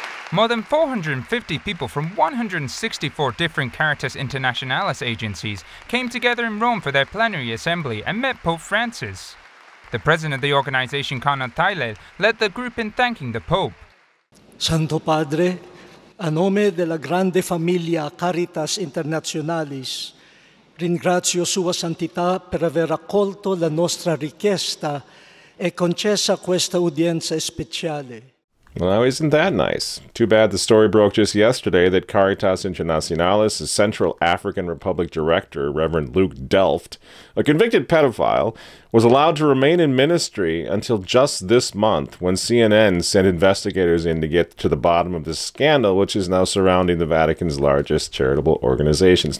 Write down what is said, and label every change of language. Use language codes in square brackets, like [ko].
[en] More than 450 people from 164 different Caritas Internationalis agencies came together in Rome for their plenary assembly and met Pope Francis. The president of the organization, Cardinal Tagle, led the group in thanking the Pope. [it] Santo Padre, a nome della grande famiglia Caritas Internationalis, ringrazio Sua Santità per aver accolto la nostra richiesta e concessa questa udienza speciale. [en] Well, now isn't that nice? Too bad the story broke just yesterday that Caritas Internationalis' Central African Republic director, Reverend Luk Delft, a convicted pedophile, was allowed to remain in ministry until just this month when CNN sent investigators in to get to the bottom of this scandal, which is now surrounding the Vatican's largest charitable organization.